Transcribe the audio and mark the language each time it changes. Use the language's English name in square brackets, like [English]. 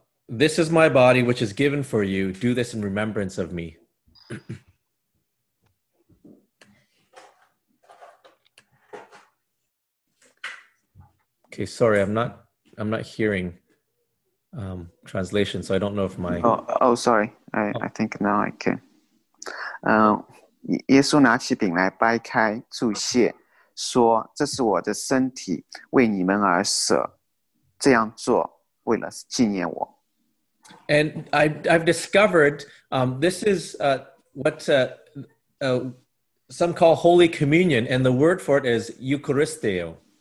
[English] This is my body, which is given for you. Do this in remembrance of me. Okay, sorry, I'm not hearing translation, so I don't know if my... Oh, sorry. I think now I can. [Chinese] 耶稣拿起饼来掰开，祝谢，说：“这是我的身体，为你们而舍。这样做，为了纪念我。” [English] And I've discovered this is some call Holy Communion, and the word for it is Eucharisteo.